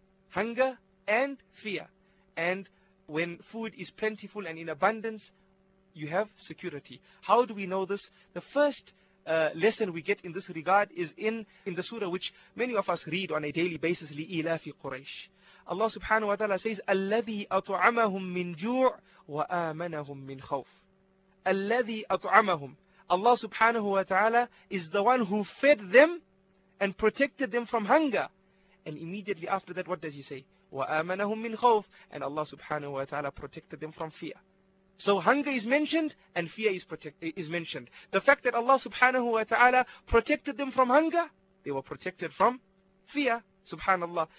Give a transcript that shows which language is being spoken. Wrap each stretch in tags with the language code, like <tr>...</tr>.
<en>Hunger and fear. And when food is plentiful and in abundance, you have security. How do we know this? The first lesson we get in this regard is in the surah which many of us read on a daily basis,</en> <ar>لِإِلَافِ قُرَيْشِ.</ar> <en>Allah subhanahu wa ta'ala says,</en> <ar>أَلَّذِي أَطْعَمَهُمْ مِنْ جُوعٍ وَآمَنَهُمْ مِنْ خَوْفٍ. الَّذِي أَطْعَمَهُمْ.</ar> <en>Allah subhanahu wa ta'ala is the one who fed them and protected them from hunger. And immediately after that, what does he say?</en> <ar>وَآمَنَهُمْ مِنْ خَوْفٍ.</ar> <en>And Allah subhanahu wa ta'ala protected them from fear. So hunger is mentioned and fear is mentioned. The fact that Allah subhanahu wa ta'ala protected them from hunger, they were protected from fear, subhanallah.</en>